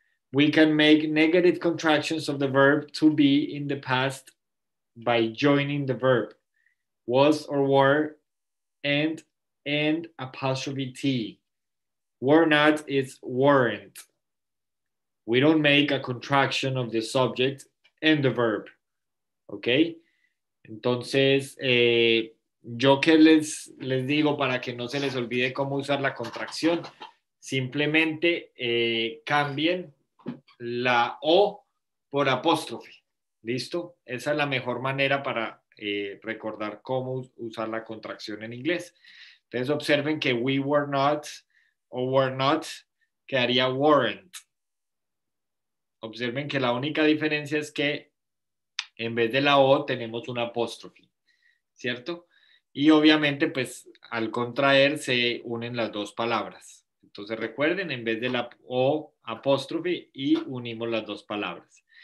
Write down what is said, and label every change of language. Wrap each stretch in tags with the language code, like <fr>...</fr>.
<en>We can make negative contractions of the verb to be in the past by joining the verb was or were and apostrophe T. Were not is weren't. We don't make a contraction of the subject and the verb. Okay?</en> <es>Entonces, yo que les digo para que no se les olvide cómo usar la contracción, simplemente cambien la O por apóstrofe. ¿Listo? Esa es la mejor manera para recordar cómo usar la contracción en inglés. Entonces observen que</es> <en>we were not</en> <es>o were not quedaría weren't. Observen que la única diferencia es que en vez de la O tenemos un apóstrofe. ¿Cierto? Y obviamente pues al contraer se unen las dos palabras. Entonces recuerden, en vez de la O apóstrofe y unimos las dos palabras.</es>